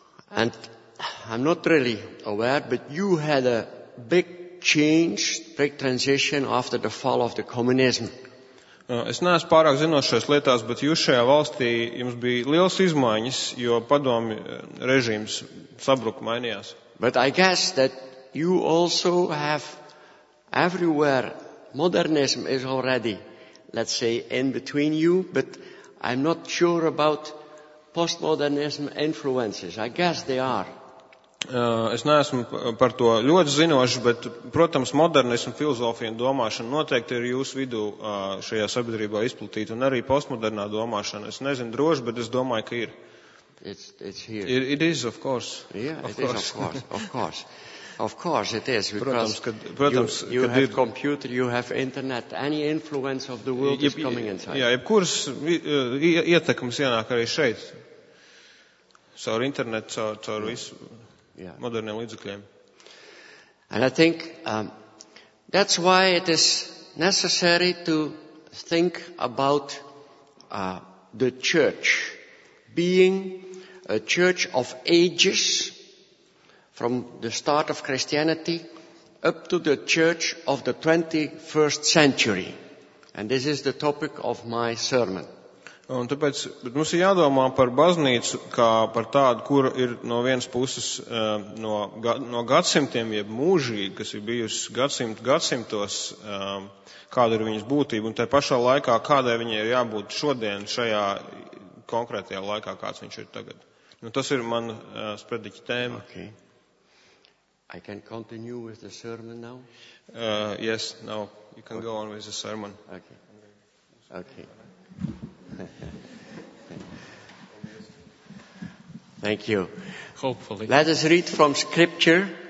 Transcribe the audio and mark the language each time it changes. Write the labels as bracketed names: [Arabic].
[English] And I'm not really aware, but you had a big change, big transition after the fall of the communism. [Latvian] Es neesmu pārāk zinošais lietās, bet jūs šajā valstī jums bija liels izmaiņas, jo padomi režīms sabruku mainījās. [English] But I guess that you also have everywhere modernism is already, let's say, in between you, but I'm not sure about postmodernism influences. I guess they are. [Latvian] Es neesmu par to ļoti zinošs, bet, protams, modernismu filozofija un domāšana noteikti ir jūsu vidū šajā sabiedrībā izplatīta, un arī postmodernā domāšana. Es nezinu droši, bet es domāju, ka ir. [English] It's here. It is, of course. Yeah, of course. Of course it is, because [Latvian] protams, [English] you have [Latvian] ir [English] computer, you have internet, any influence of the world is coming inside. [Latvian] Jā, jebkuras ietekmes ienāk arī šeit, caur internetu, caur visu. Yeah. Moderniem līdzekļiem. [English] And I think that's why it is necessary to think about the church being a church of ages from the start of Christianity up to the church of the 21st century. And this is the topic of my sermon. [Latvian] Un tāpēc mums ir jādomā par baznīcu, kā par tādu, kur ir no vienas puses no gadsimtiem, jeb mūžīgi, kas ir bijusi gadsimtos, kāda ir viņas būtība, un tā pašā laikā, kādai viņai ir jābūt šodien šajā konkrētajā laikā, kāds viņš ir tagad. Nu, tas ir man sprediķa tēma. [English] Okay. I can continue with the sermon now? Yes, no. You can go on with the sermon. Okay. Thank you. Hopefully. Let us read from scripture.